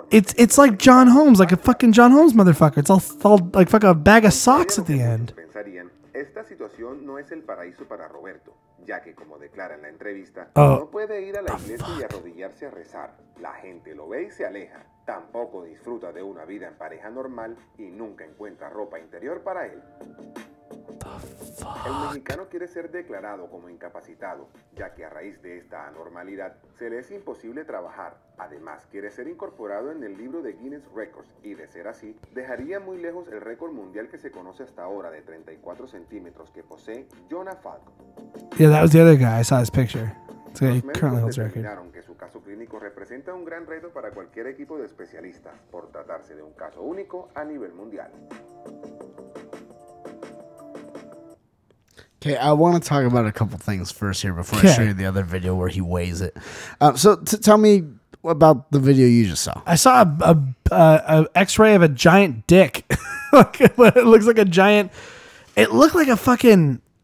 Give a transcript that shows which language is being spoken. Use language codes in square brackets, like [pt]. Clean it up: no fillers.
[en] It's like John Holmes, like a fucking John Holmes motherfucker. It's all like fucking a bag of socks at the end. [es] Esta situación no es el paraíso para Roberto, ya que como declara en la entrevista, no puede ir a la iglesia y arrodillarse a rezar. La gente lo ve y se aleja. Tampoco disfruta de una vida en pareja normal y nunca encuentra ropa interior para él. El mexicano quiere ser declarado como incapacitado, ya que a raíz de esta anormalidad se le es imposible trabajar. Además, quiere ser incorporado en el libro de Guinness Records y, de ser así, dejaría muy lejos el récord mundial que se conoce hasta ahora de 34 centímetros que posee Jonah Falco. [en] Yeah, that was the other guy. I saw his picture. So he currently holds record. [es] Que su caso clínico representa un gran reto para cualquier equipo de especialistas por tratarse de un caso único a nivel mundial. [en] Okay, I want to talk about a couple things first here before I show you the other video where he weighs it. Tell me about the video you just saw. I saw a X-ray of a giant dick. It looks like a giant. It looked like a fucking.